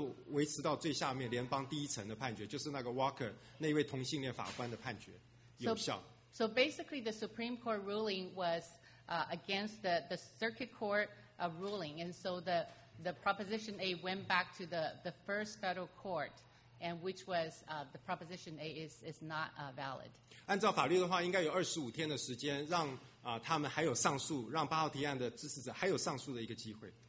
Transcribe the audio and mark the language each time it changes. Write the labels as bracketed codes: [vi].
[zh] 所以最后这个联邦法院就判定第二级，他不止判定你们上诉无效，他也判定那个第二层的判决也无效，所以上两层都无效，就维持到最下面联邦第一层的判决，就是那个 Walker 那位同性恋法官的判决有效。 [en] So basically, the Supreme Court ruling was against the Circuit Court ruling, and so the Proposition A went back to the first federal court. And which was the Proposition A is not valid. [zh] 按照法律的话，应该有25天的时间，让他们还有上诉，让八号提案的支持者还有上诉的一个机会。